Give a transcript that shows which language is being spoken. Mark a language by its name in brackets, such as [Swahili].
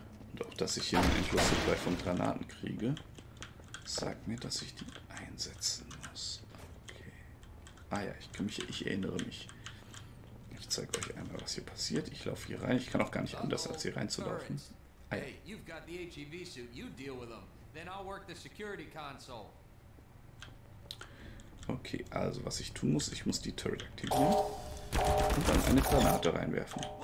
[German] Und auch, dass ich hier einen Schuss gleich von Granaten kriege. Sagt mir, dass ich die einsetzen muss. Okay. Ah ja, ich erinnere mich. Ich zeige euch einmal, was hier passiert. Ich laufe hier rein. Ich kann auch gar nicht anders, als hier reinzulaufen. Ah ja. [English] Hey, you've got the HEV suit. You deal with them. Then I'll work the security console. [German] Okay, also was ich tun muss, ich muss die Turret aktivieren und dann eine Granate reinwerfen.